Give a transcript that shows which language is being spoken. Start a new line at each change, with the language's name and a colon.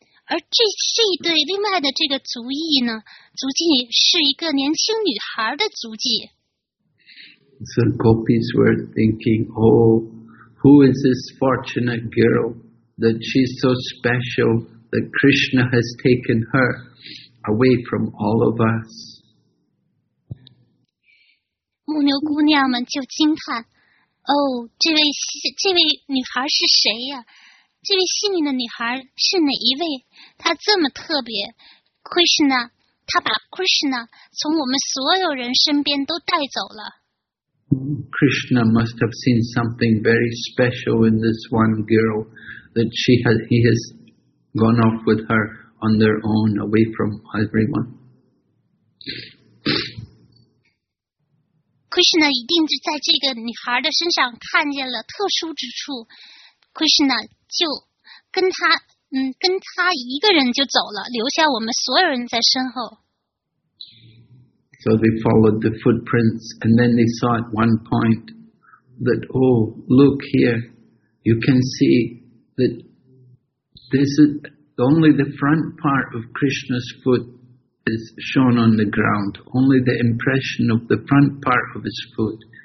Chinese: 而这一对另外的这个足迹呢，足迹是一个年轻女孩的足迹。
English: So gopis were thinking, who is this fortunate girl that she's so special that Krishna has taken her away from all of us?
Chinese: 牧牛姑娘们就惊叹，这位女孩是谁呀？这位幸运的女孩是哪一位？她这么特别， Krishna， 她把 Krishna 从我们所有人身边都带走了。Krishna
English: must have seen something very special in this one girl, that he has gone off with her on their own, away from everyone.
Chinese: Krishna 一定是在这个女孩的身上看见了特殊之处， Krishna 就。跟他一个人就走了，留下我们所有人在身后。
English: So they followed the footprints, and then they saw at one point that, look here, you can see that this is only the front part of Krishna's foot is shown on the ground, only the impression of the front part of his foot.